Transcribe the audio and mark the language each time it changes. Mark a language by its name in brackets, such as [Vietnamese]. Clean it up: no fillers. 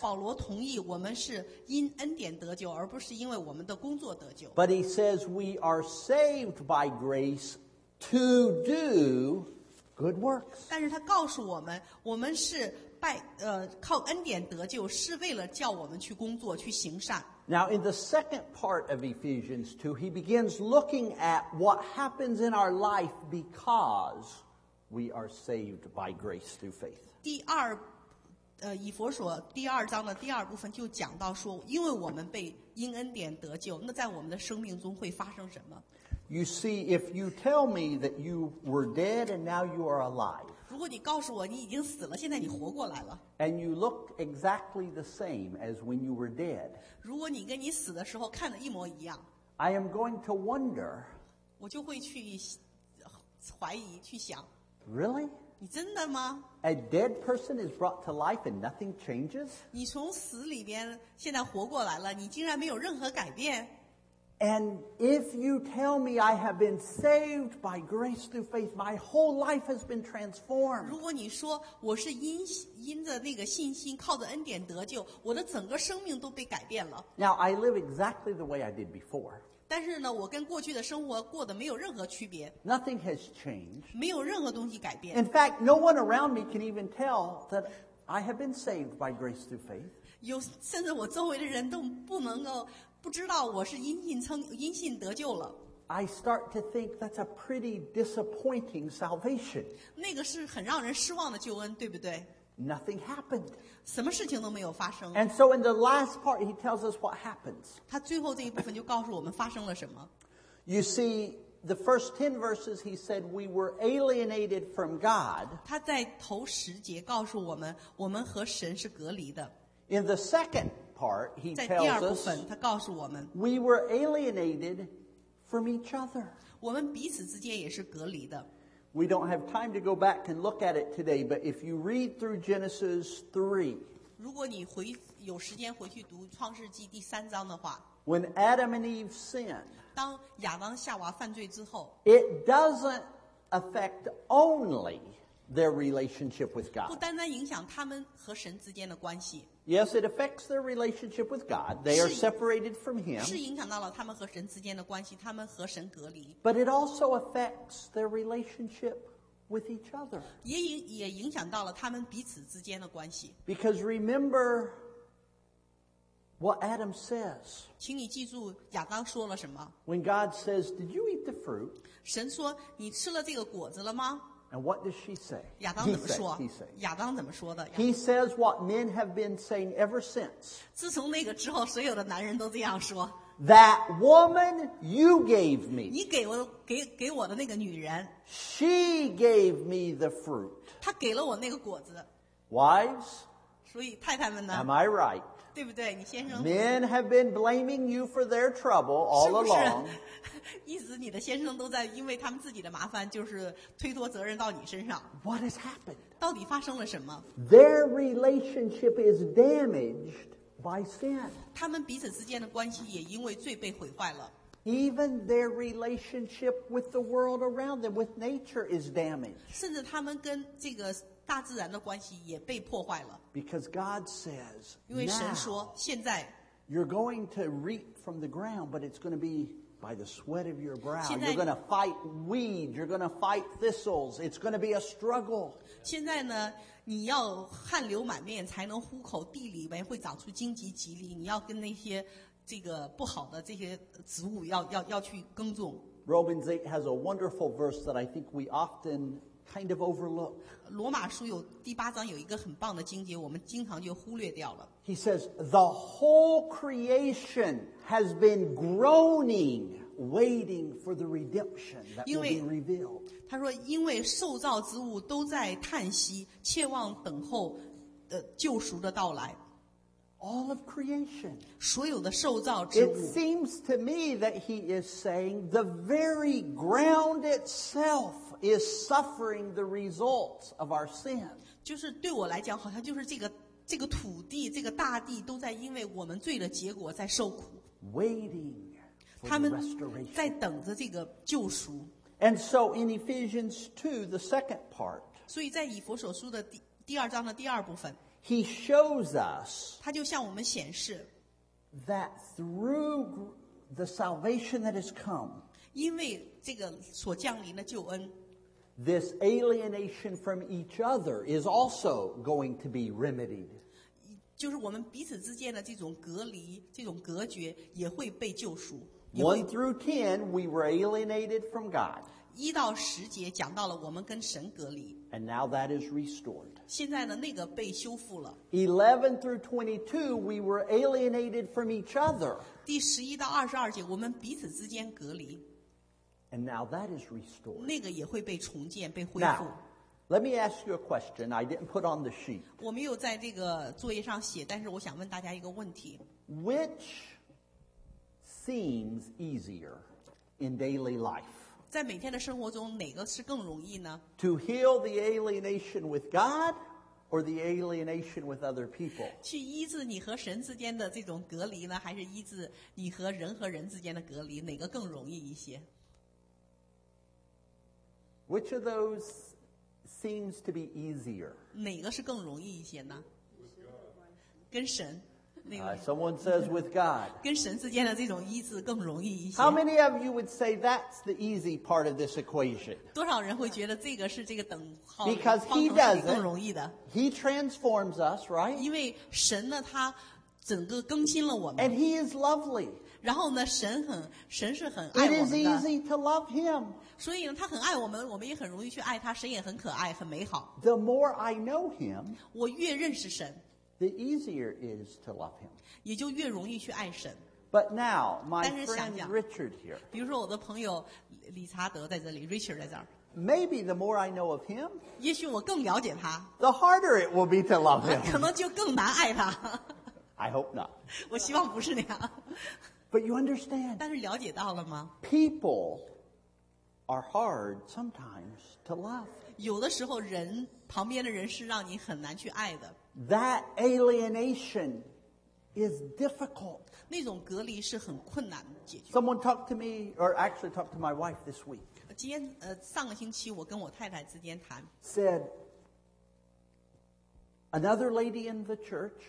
[Chinese] 保罗同意，我们是因恩典得救，而不是因为我们的工作得救。 [English] But he says we are saved by grace to do good works. [Chinese] 但是他告诉我们，我们是。靠恩典得救是为了叫我们去工作去行善。 [English] Now in the second part of Ephesians 2, he begins looking at what happens in our life because we are saved by grace through faith. [Chinese] 第二，以弗所第二章的第二部分就讲到说，因为我们被因恩典得救，那在我们的生命中会发生什么？ [English] You see, if you tell me that you were dead and now you are alive, [Chinese] 如果你告诉我你已经死了，现在你活过来了。 [English] And you look exactly the same as when you were dead. [Chinese] 如果你跟你死的时候看得一模一样。 [English] I am going to wonder. [Chinese] 我就会去怀疑，去想。 [English] Really? [Chinese] 你真的吗？ [English] A dead person is brought to life and nothing changes. [Chinese] 你从死里边现在活过来了，你竟然没有任何改变。 [English] And if you tell me I have been saved by grace through faith, my whole life has been transformed. [Chinese] 如果你说我是因着那个信心，靠着恩典得救，我的整个生命都被改变了。 [English] Now I live exactly the way I did before. [Chinese] 但是呢，我跟过去的生活过得没有任何区别。 [English] Nothing has changed. [Chinese] 没有任何东西改变。 [English] In fact, no one around me can even tell that I have been saved by grace through faith. [Chinese] 有甚至我周围的人都不能够。不知道我是因信得救了。 [English] I start to think that's a pretty disappointing salvation. [Chinese] 那个是很让人失望的救恩，对不对？ [English] Nothing happened. [Chinese] 什么事情都没有发生。 [English] And so in the last part, he tells us what happens. [Chinese] 他最后这一部分就告诉我们发生了什么。 [English] You see, the first 10 verses, he said, we were alienated from God. [Chinese] 他在头十节告诉我们，我们和神是隔离的。 [English] In the second part, he tells us, [Chinese] 他告诉我们， [English] we were alienated from each other. [Chinese] 我们彼此之间也是隔离的。 [English] We don't have time to go back and look at it today, but if you read through Genesis 3, [Chinese] 如果你回有时间回去读创世纪第三章的话， [English] when Adam and Eve sinned, [Chinese] 当亚当夏娃犯罪之后， [English] it doesn't affect only their relationship with God. [Chinese] 不单单影响他们和神之间的关系。 [English] Yes, it affects their relationship with God. They are separated from Him. [Chinese] 是影响到了他们和神之间的关系，他们和神隔离。 [English] But it also affects their relationship with each other. [Chinese] 也影响到了他们彼此之间的关系。 [English] Because remember what Adam says. [Chinese] 请你记住亚当说了什么。 [English] When God says, "Did you eat the fruit?" [Chinese] 神说，你吃了这个果子了吗？ [English] And what does she say? [Chinese] 亚当怎么说？ [English] He says. [Chinese] 亚当怎么说的？ [English] He says what men have been saying ever since. [Chinese] 自从那个之后，所有的男人都这样说。 [English] That woman you gave me. [Chinese] 你给我的那个女人。 [English] She gave me the fruit. [Chinese] 她给了我那个果子。 [English] Wives. [Chinese] 所以太太们呢？ [English] Am I right? [Chinese] 对不对，你先生？ [English] Men have been blaming you for their trouble all along. [Chinese] 是不是意思你的先生都在因为他们自己的麻烦就是推脱责任到你身上。 [English] What has happened? [Chinese] 到底发生了什么？ [English] Their relationship is damaged by sin. [Chinese] 他们彼此之间的关系也因为罪被毁坏了。 [English] Even their relationship with the world around them, with nature, is damaged. [Chinese] 甚至他们跟这个大自然的关系也被破坏了。 [English] Because God says, [Chinese] 因为神说，现在 [English] you're going to reap from the ground, but it's going to be by the sweat of your brow. You're going to fight weeds. You're going to fight thistles. It's going to be a struggle. [Chinese] 现在呢，你要汗流满面才能糊口，地里面会长出荆棘蒺藜。你要跟那些这个不好的这些植物要去耕种。 [English] Romans 8 has a wonderful verse that I think we often kind of overlook. [Chinese] 罗马书有第八章有一个很棒的经节，我们经常就忽略掉了。 [English] He says, the whole creation has been groaning, waiting for the redemption that will be revealed. [Chinese] 他说，因为受造之物都在叹息，切望等候的救赎的到来。 [English] All of creation. [Chinese] 所有的受造之物。 [English] It seems to me that he is saying the very ground itself is suffering the results of our sin. [Chinese] 就是对我来讲，好像就是这个土地，这个大地都在因为我们罪的结果在受苦。 [English] Waiting for restoration. [Chinese] 他们在等着这个救赎。 [English] And so in Ephesians 2, the second part. [Chinese] 所以在以弗所书的第二章的第二部分。 [English] He shows us [Chinese] 他就向我们显示 [English] that through the salvation that has come, [Chinese] 因为这个所降临的救恩， [English] this alienation from each other is also going to be remedied. [Chinese] 就是我们彼此之间的这种隔离，这种隔绝也会被救赎。 [English] 1 through 10, we were alienated from God. [Chinese] 一到十节讲到了我们跟神隔离。 [English] And now that is restored. [Chinese] 现在呢，那个被修复了。 [English] 11 through 22, we were alienated from each other. [Chinese] 第十一到二十二节，我们彼此之间隔离。 [English] And now that is restored. [Chinese] 那个也会被重建，被恢复。 [English] Now, let me ask you a question. I didn't put on the sheet. [Chinese] 我没有在这个作业上写，但是我想问大家一个问题。 [English] Which seems easier in daily life? [Chinese] 在每天的生活中，哪个是更容易呢？ [English] To heal the alienation with God or the alienation with other people? [Chinese] 去医治你和神之间的这种隔离呢，还是医治你和人和人之间的隔离，哪个更容易一些？ [English] Which of those seems to be easier? [Chinese] 哪个是更容易一些呢？跟神。 [English] Someone says with God. [Chinese] 跟神之间的这种医治更容易一些。 [English] How many of you would say that's the easy part of this equation? [Chinese] 多少人会觉得这个是这个等号？ [English] Because he does it. He transforms us, right? [Chinese] 因为神呢，他整个更新了我们。 [English] And he is lovely. [Chinese] 然后呢，神是很爱我们的。 [English] It is easy to love him. [Chinese] 所以呢，他很爱我们，我们也很容易去爱他。神也很可爱，很美好。 [English] The more I know him, [Chinese] 我越认识神。 [English] The easier it is to love him. [Chinese] 也就越容易去爱神。 [English] But now, my friend Richard here. [Chinese] 比如说我的朋友理查德在这里 ，Richard 在这儿。 [English] Maybe the more I know of him, [Chinese] 也许我更了解他。 [English] The harder it will be to love him. [Chinese] 可能就更难爱他。 [English] I hope not. [Chinese] 我希望不是那样。 [English] But you understand? [Chinese] 但是了解到了吗 [English] ？People are hard sometimes to love. [Chinese] 有的时候人旁边的人是让你很难去爱的。 [English] That alienation is difficult. [Chinese] 那种隔离是很困难解决。 [English] Someone talked to me, or actually talked to my wife this week. [Chinese] 今天上个星期我跟我太太之间谈。 [English] Said another lady in the church.